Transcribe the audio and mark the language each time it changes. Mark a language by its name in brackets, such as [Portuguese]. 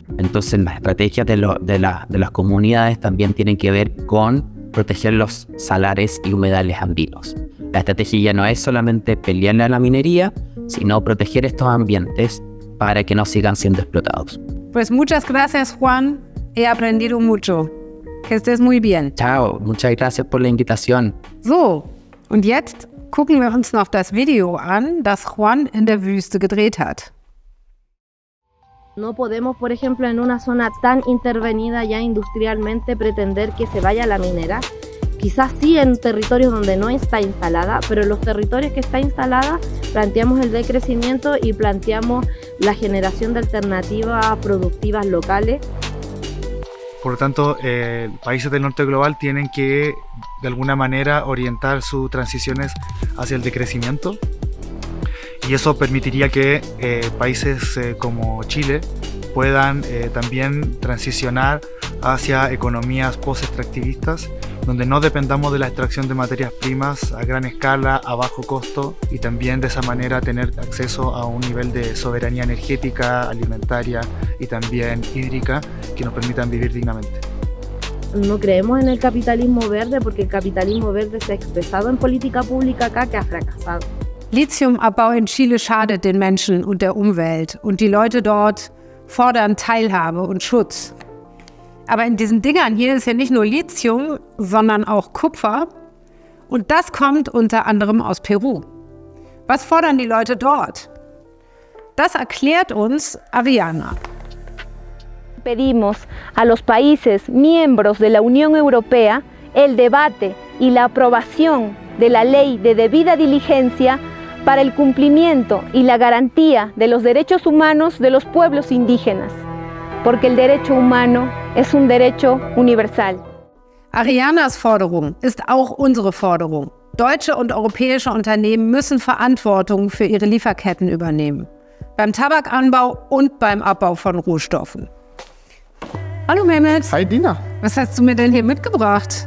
[Spanish] Entonces, las estrategias de las comunidades también tienen que ver con proteger los salares y humedales andinos. La estrategia ya no es solamente pelearle a la minería, sino proteger estos ambientes para que no sigan siendo explotados. Pues muchas gracias, Juan. He aprendido mucho. Que estés muy bien. Chao. Muchas gracias por la invitación. [German] So, und jetzt gucken wir uns noch das Video an, das Juan in der Wüste gedreht hat. [Spanish] No podemos, por ejemplo, en una zona tan intervenida ya industrialmente pretender que se vaya la minera. Quizás sí en territorios donde no está instalada, pero en los territorios que está instalada planteamos el decrecimiento y planteamos la generación de alternativas productivas locales. Por lo tanto, países del norte global tienen que, de alguna manera, orientar sus transiciones hacia el decrecimiento. Y eso permitiría que países como Chile puedan también transicionar hacia economías post-extractivistas, donde no dependamos de la extracción de materias primas a gran escala, a bajo costo, y también de esa manera tener acceso a un nivel de soberanía energética, alimentaria y también hídrica que nos permitan vivir dignamente. No creemos en el capitalismo verde porque el capitalismo verde se ha expresado en política pública acá que ha fracasado. [German] Lithiumabbau en Chile schadet den Menschen und der Umwelt und die Leute dort fordern Teilhabe und Schutz. Aber in diesen Dingern hier ist ja nicht nur Lithium, sondern auch Kupfer. Und das kommt unter anderem aus Peru. Was fordern die Leute dort? Das erklärt uns Aviana. [Spanish] Pedimos a los países miembros de la Unión Europea el debate y la aprobación de la ley de debida diligencia para el cumplimiento y la garantía de los derechos humanos de los pueblos indígenas, porque el derecho humano es un derecho universal. [German] Arianas Forderung ist auch unsere Forderung. Deutsche und europäische Unternehmen müssen Verantwortung für ihre Lieferketten übernehmen. Beim Tabakanbau und beim Abbau von Rohstoffen. Hallo Mehmet. Hi Dina. Was hast du mir denn hier mitgebracht?